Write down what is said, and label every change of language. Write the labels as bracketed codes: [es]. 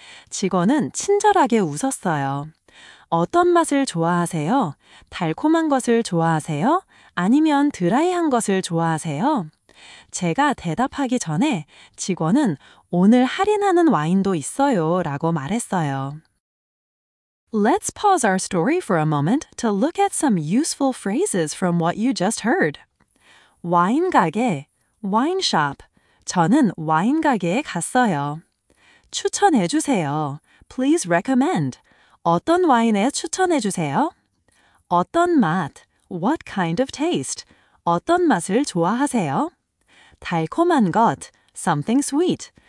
[ko] 직원은 친절하게 웃었어요. 어떤 맛을 좋아하세요? 달콤한 것을 좋아하세요? 아니면 드라이한 것을 좋아하세요? 제가 대답하기 전에 직원은 오늘 할인하는 와인도 있어요 라고 말했어요. [en] Let's pause our story for a moment to look at some useful phrases from what you just heard. [ko] 와인 가게 [en] Wine shop. [ko] 저는 와인 가게에 갔어요. 추천해 주세요. [en] Please recommend. [ko] 어떤 와인에 추천해 주세요? 어떤 맛? [en] What kind of taste? [ko] 어떤 맛을 좋아하세요? 달콤한 것? [en] Something sweet.